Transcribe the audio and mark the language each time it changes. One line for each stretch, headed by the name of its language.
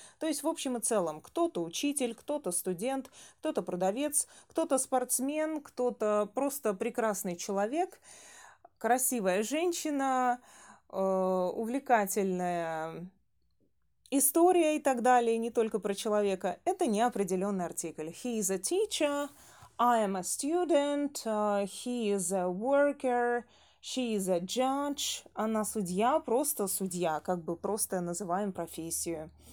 Russian: То есть, в общем и целом, кто-то учитель, кто-то студент, кто-то продавец, кто-то спортсмен, кто-то просто прекрасный человек, красивая женщина, увлекательная история и так далее, не только про человека. Это неопределенный артикль.
English: He is a teacher. I am a student, he is a worker, she is a judge.
Russian: Она судья, просто судья, как бы просто называем профессию.